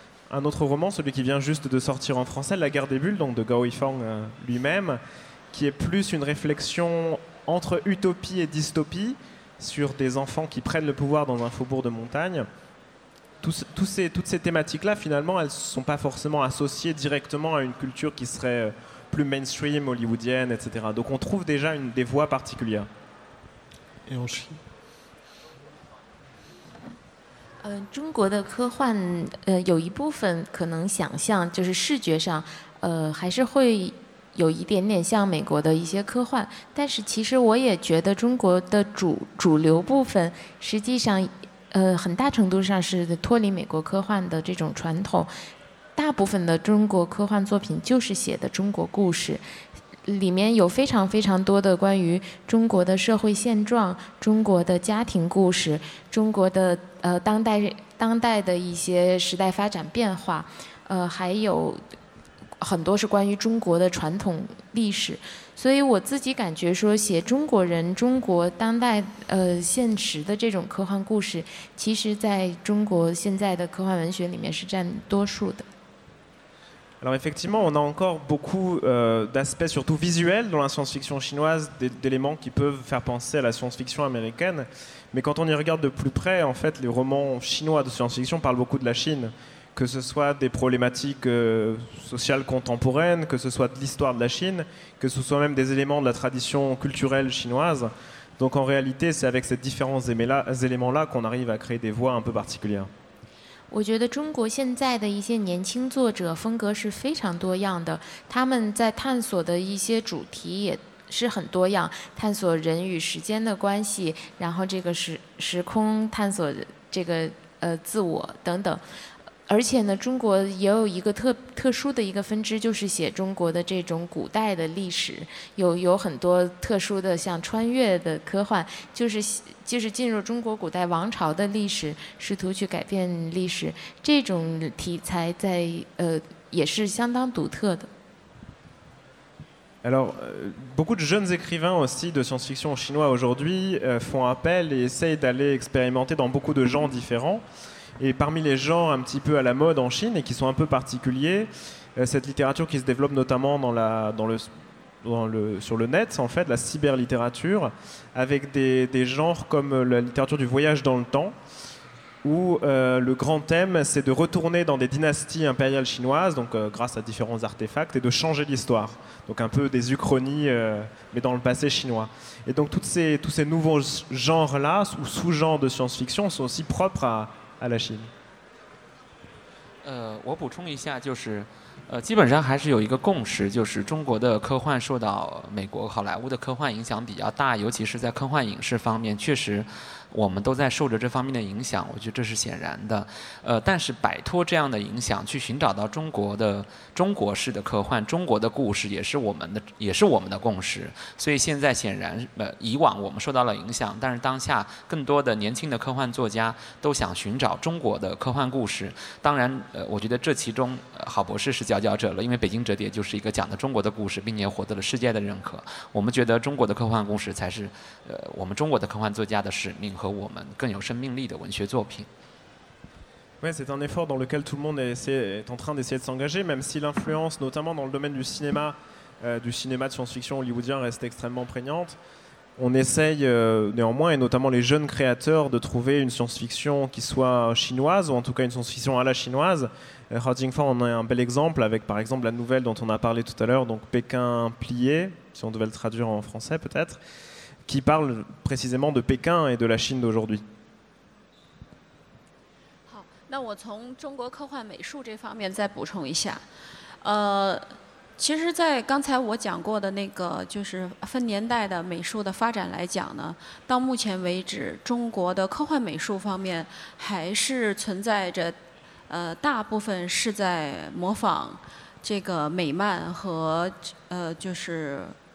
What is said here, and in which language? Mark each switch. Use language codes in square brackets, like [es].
[fr] Un autre roman, celui qui vient juste de sortir en français, La guerre des bulles, donc de Gao Yifang lui-même, qui est plus une réflexion entre utopie et dystopie, sur des enfants qui prennent le pouvoir dans un faubourg de montagne. Toutes ces thématiques-là, finalement, elles ne sont pas forcément associées directement à une culture qui serait plus mainstream, hollywoodienne, etc. Donc on trouve déjà des voies particulières. Et en Chine. [zh] 中国的科幻，有一部分可能想象，就是视觉上，还是会有一点点像美国的一些科幻，但是其实我也觉得中国的 主流部分实际上很大程度上是脱离美国科幻的这种传统，大部分的中国科幻作品就是写的中国故事，里面有非常非常多的关于中国的社会现状、中国的家庭故事、中国的当代的一些时代发展变化，还有很多是关于中国的传统历史，所以我自己感觉说写中国人、中国当代现实的这种科幻故事，其实在中国现在的科幻文学里面是占多数的。 [fr] Alors effectivement, on a encore beaucoup d'aspects, surtout visuels, dans la science-fiction chinoise, d'éléments qui peuvent faire penser à la science-fiction américaine. Mais quand on y regarde de plus près, en fait, les romans chinois de science-fiction parlent beaucoup de la Chine, que ce soit des problématiques sociales contemporaines, que ce soit de l'histoire de la Chine, que ce soit même des éléments de la tradition culturelle chinoise. Donc en réalité, c'est avec ces différents éléments-là qu'on arrive à créer des voix un peu particulières. [zh] 我觉得中国现在的一些年轻作者风格是非常多样的，他们在探索的一些主题也是很多样，探索人与时间的关系，然后这个时空探索这个自我等等。而且呢，中国也有一个特殊的一个分支，就是写中国的这种古代的历史，有很多特殊的像穿越的科幻，就是进入中国古代王朝的历史，试图去改变历史，这种题材在也是相当独特的。 [fr] Alors, beaucoup de jeunes écrivains aussi de science-fiction chinois aujourd'hui font appel et essayent d'aller expérimenter dans beaucoup de genres différents. Et parmi les genres un petit peu à la mode en Chine et qui sont un peu particuliers, cette littérature qui se développe notamment sur le net, en fait, la cyberlittérature, avec des genres comme la littérature du voyage dans le temps, où le grand thème, c'est de retourner dans des dynasties impériales chinoises, donc grâce à différents artefacts, et de changer l'histoire. Donc un peu des uchronies, mais dans le passé chinois. Et donc tous ces nouveaux genres-là, ou sous-genres de science-fiction, sont aussi propres à la Chine. [zh] 我补充一下，就是，基本上还是有一个共识，就是中国的科幻受到美国好莱坞的科幻影响比较大，尤其是在科幻影视方面，确实我们都在受着这方面的影响，我觉得这是显然的。但是摆脱这样的影响，去寻找到中国式的科幻、中国的故事，也是我们的共识。所以现在显然，以往我们受到了影响，但是当下更多的年轻的科幻作家都想寻找中国的科幻故事。当然，我觉得这其中，郝博士是佼佼者了，因为《北京折叠》就是一个讲的中国的故事，并且获得了世界的认可。我们觉得中国的科幻故事才是，我们中国的科幻作家的使命。和我们更有生命力的文学作品。 [fr] Ouais, c'est un effort dans lequel tout le monde est en train d'essayer de s'engager, même si l'influence, notamment dans le domaine du cinéma de science-fiction hollywoodien, reste extrêmement prégnante. On essaye néanmoins, et notamment les jeunes créateurs, de trouver une science-fiction qui soit chinoise, ou en tout cas une science-fiction à la chinoise. Hao Jingfang en est un bel exemple, avec par exemple la nouvelle dont on a parlé tout à l'heure, donc Pékin plié, si on devait le traduire en français peut-être. Qui parle précisément de Pékin et de la Chine d'aujourd'hui. [zh] 好，那我从中国科幻美术这方面再补充一下。其实，在刚才我讲过的那个就是分年代的美术的发展来讲呢，到目前为止，中国的科幻美术方面还是存在着，大部分是在模仿这个美漫和就是。